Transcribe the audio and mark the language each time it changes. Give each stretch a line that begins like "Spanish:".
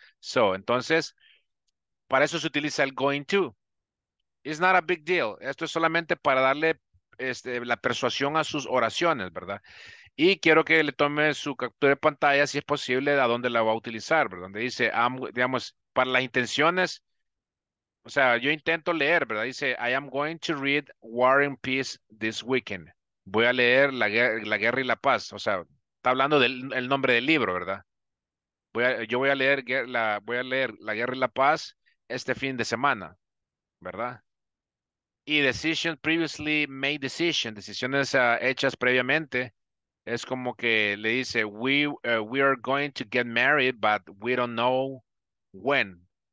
English: So,
Spanish: entonces, para eso se utiliza el
English: going to. It's not a big deal.
Spanish: Esto es solamente para darle la persuasión a sus oraciones, ¿verdad? Y quiero que le tome su captura de pantalla, si es posible, a dónde la va a utilizar, ¿verdad? Donde dice, digamos, para las intenciones, o sea, yo intento leer, ¿verdad? Dice,
English: I am going to read War and Peace this weekend.
Spanish: Voy a leer La Guerra y la Paz. O sea, está hablando del nombre del libro, ¿verdad? Voy a leer La Guerra y la Paz este fin de semana, ¿verdad? Y
English: decision previously made decision,
Spanish: decisiones hechas previamente, es como que le dice,
English: we are going to get married, but we don't know when.